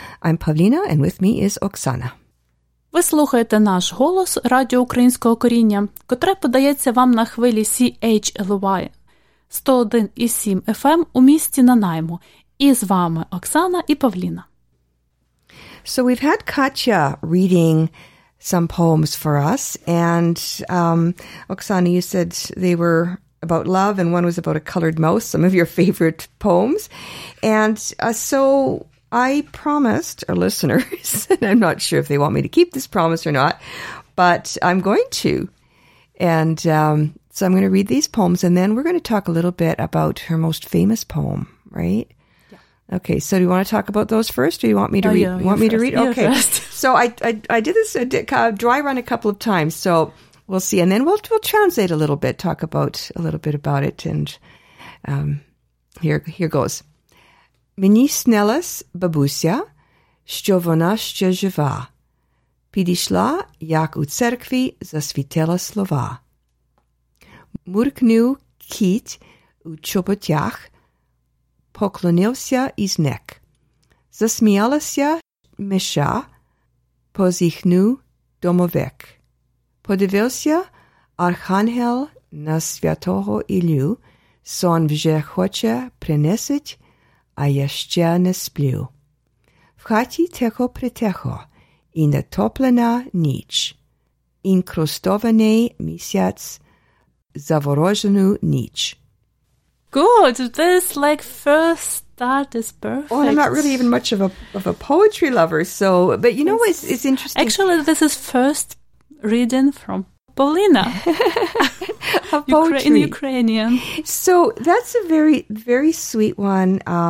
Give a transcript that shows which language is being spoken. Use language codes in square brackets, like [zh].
[en] I'm Pavlina, and with me is Оксана. [uk] Ви слухаєте наш голос радіо українського коріння, котре подається вам на хвилі CHLY 101.7 FM у місті Нанаймо. І з вами Оксана і Павліна. [en] So we've had Katya reading some poems for us, and Оксана, you said they were about love, and one was about a colored mouse, some of your favorite poems. And so I promised our listeners, and I'm not sure if they want me to keep this promise or not, but I'm going to. And so I'm going to read these poems, and then we're going to talk a little bit about her most famous poem, right? Okay, so do you want to talk about those first, or you want me to read? You want me first. To read? You're okay. First. So I did this dry run a couple of times. So we'll see, and then we'll translate a little bit, talk about a little bit about it, and here goes. [uk] Мені снилась бабуся, що вона ще жива. Підійшла, як у церкві засвітила слова. Муркнув кіт у чоботях. Поклонився і зник. Засміялася миша, позіхнув домовик. Подивився архангел на святого Іллю, сон вже хоче принесить, а я ще не сплю. В хаті тихо-притихо, і натоплена ніч, інкрустований місяць, заворожену ніч. [en] Good. This like first start is perfect. Oh, I'm not really even much of a poetry lover. So, but you know, it's interesting. Actually, this is first reading from Polina, poetry in Ukrainian. So that's a very very sweet one.